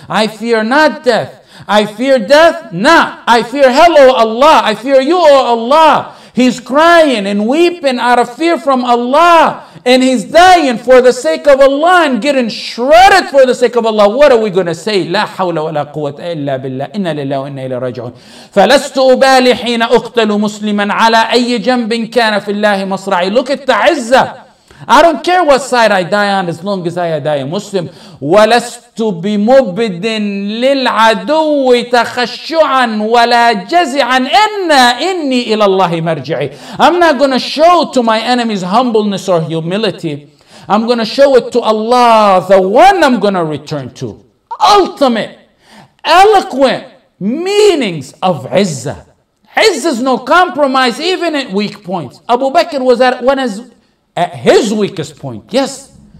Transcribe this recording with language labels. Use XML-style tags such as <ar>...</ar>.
<en>I fear not death. I fear death? Nah. I fear hell, O Allah. I fear you, O Allah. He's crying and weeping out of fear from Allah. And he's dying for the sake of Allah and getting shredded for the sake of Allah. What are we going to say?</en> <ar>لا حول ولا قوة إلا بالله. إنا لله وإنا إليه راجعون. فلست أبالي حين أقتل مسلما على أي جنب كان في الله مصرعي.</ar> <en>Look at the عزه. I don't care what side I die on as long as I die a Muslim.</en> <ar>ولست بمبد للعدو تخشعا ولا جزعا إنا إني إلى الله مرجعي.</ar> <en>I'm not going to show to my enemies humbleness or humility. I'm going to show it to Allah, the one I'm going to return to. Ultimate, eloquent meanings of عزه. عزه is no compromise even at weak points. Abu Bakr was at his weakest point, yes.</en>